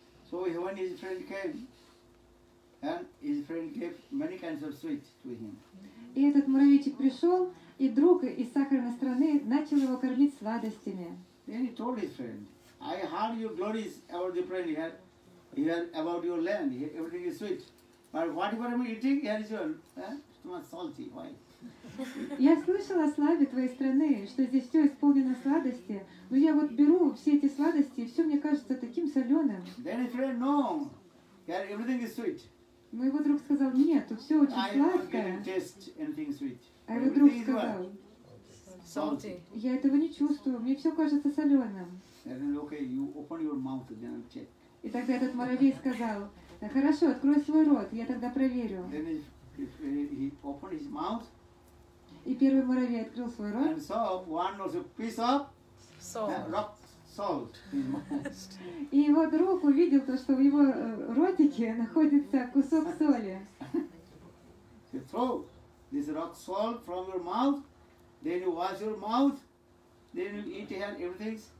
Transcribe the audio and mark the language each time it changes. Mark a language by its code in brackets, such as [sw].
[en] So when his friend came, and his friend gave many kinds of sweets to him. [ru] И этот муравейчик пришел, и друг из сахарной страны начал его кормить сладостями. [en] Then he told his friend, I heard your glories about the friend here about your land, here, everything is sweet. But whatever I'm eating, here is your too much salty. Why? [ru] Я слышал о славе твоей страны, что здесь все исполнено сладости, но я вот беру все эти сладости, и все мне кажется таким соленым. [en] Then his friend, no, here everything is sweet. [ru] Но его друг сказал, нет, тут все очень сладкое. [en] I don't taste anything sweet. [ru] А его друг сказал, [en] salty. [ru] Я этого не чувствую, мне все кажется соленым. [en] Okay, you open your mouth, then I'll check. [ru] И тогда этот муравей сказал, да хорошо, открой свой рот, я тогда проверю. [en] Then he opened his mouth, [ru] и первый муравей открыл свой рот. [en] And so one was a piece of rock salt. [ru] И его друг увидел то, что в его ротике находится кусок соли. [en] You throw this rock salt from your mouth, then you wash your mouth, then you eat here everything.